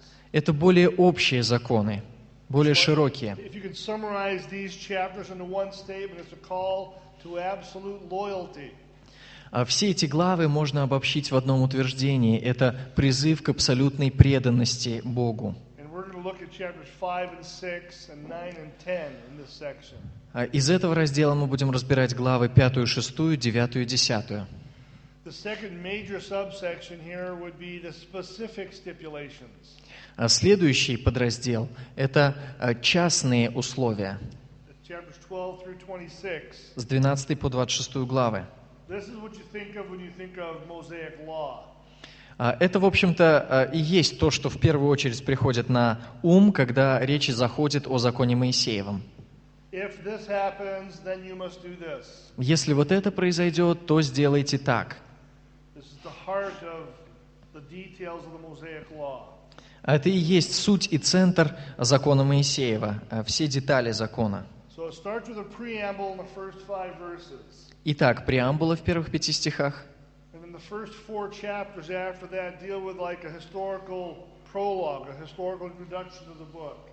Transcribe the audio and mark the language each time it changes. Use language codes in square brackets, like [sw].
[ru] Это более общие законы, более широкие. [en] If you can summarize these chapters into one statement, it's a call to absolute loyalty. [ru] Все эти главы можно обобщить в одном утверждении. Это призыв к абсолютной преданности Богу. [en] And we're going to look at chapters 5 and 6 and 9 and 10 in this section. [ru] Из этого раздела мы будем разбирать главы 5, 6, 9, 10. [en] The second major subsection here would be the specific stipulations. [ru] Следующий подраздел – это частные условия. [en] Chapters 12 through 26. [ru] С 12 по 26 главы. [en] This is what you think of when you think of Mosaic law. [ru] Это, в общем-то, и есть то, что в первую очередь приходит на ум, когда речь заходит о законе Моисеевом. [en] If this happens, then you must do this. [ru] Если вот это произойдет, то сделайте так. [en] This is the heart of the details of the Mosaic law. [ru] Это и есть суть и центр закона Моисеева, все детали закона. [en] So it starts with a preamble in the first five verses. [ru] Итак, преамбула в первых пяти стихах. [en] And then the first four chapters after that deal with like a historical prologue, a historical introduction to the book.